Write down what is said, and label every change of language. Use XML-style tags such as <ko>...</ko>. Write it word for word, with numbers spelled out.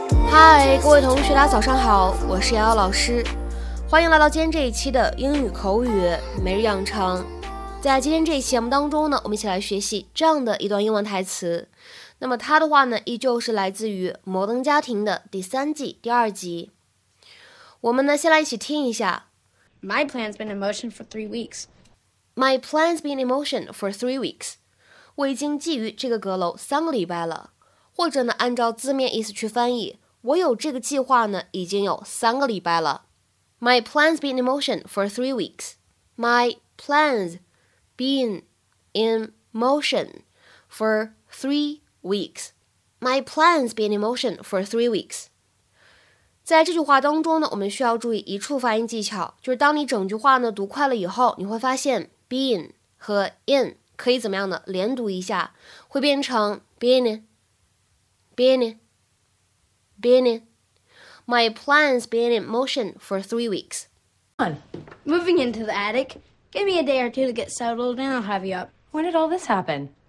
<zh>嗨，各位同学，大家早上好，我是瑶瑶老师，欢迎来到今天这一期的英语口语每日养成。在今天这一期节目当中呢，我们一起来学习这样的一段英文台词。那么它的话呢，依旧是来自于摩登家庭的第三季第二集。我们呢，先来一起听一下。</zh> <en>My plan's been in motion for three weeks. My plan's been in motion for three weeks.</en> <zh>我已经觊觎这个阁楼三个礼拜了。或者呢，按照字面意思去翻译，我有这个计划呢，已经有三个礼拜了。</zh> <en>My plan's been in motion for three weeks. My plan's been in motion for three weeks. My plan's been in motion for three weeks.</en> <zh>在这句话当中呢，我们需要注意一处发音技巧，就是当你整句话呢读快了以后，你会发现 been 和 in 可以怎么样呢？连读一下，会变成</zh> <en>been been been my plan's been in motion for three weeks. Moving into the attic. Give me a day or two to get settled and I'll have you up. When did all this happen?</en>